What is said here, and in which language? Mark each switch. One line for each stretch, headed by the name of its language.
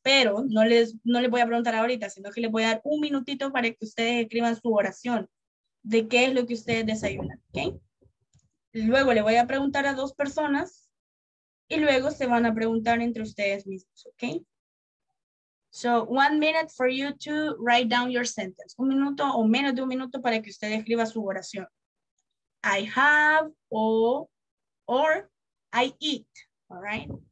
Spanish: Pero no les voy a preguntar ahorita, sino que les voy a dar un minutito para que ustedes escriban su oración de qué es lo que ustedes desayunan, ¿ok? Luego le voy a preguntar a dos personas y luego se van a preguntar entre ustedes mismos, ¿ok?
English: So, 1 minute for you to write down your sentence.
Spanish: Un minuto o menos de un minuto para que usted escriba su oración.
English: I have or I eat, all right?